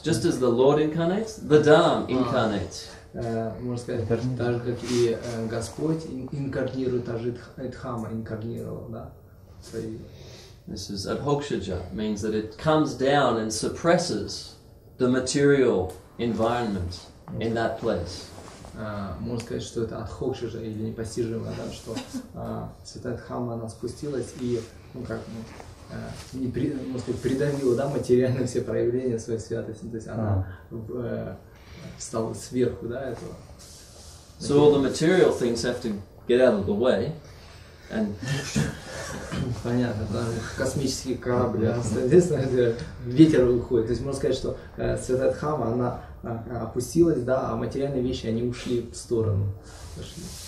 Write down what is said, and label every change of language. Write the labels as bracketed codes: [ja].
[en] Just as the Lord incarnates, the Dham incarnates. [ru] Можно сказать, так же, как и Господь инкарнирует, так же и Дхамма инкарнировал, да? [en] This is Abhokshaja, means that it comes down and suppresses the material environment in that place. [ru] Можно сказать, что это Абхокшиджа или непостижимое, да, что Святая Дхамма, она спустилась и, ну как, ну, не при, можно сказать, придавила, да, материально все проявления своей святости, то есть она встала сверху, да, этого. [en] So all the material things have to get out of the way. And [ru] понятно, да, космические корабли, соответственно, ветер уходит. То есть можно сказать, что Святая Дхамма, она опустилась, да, а материальные вещи, они ушли в сторону. Пошли.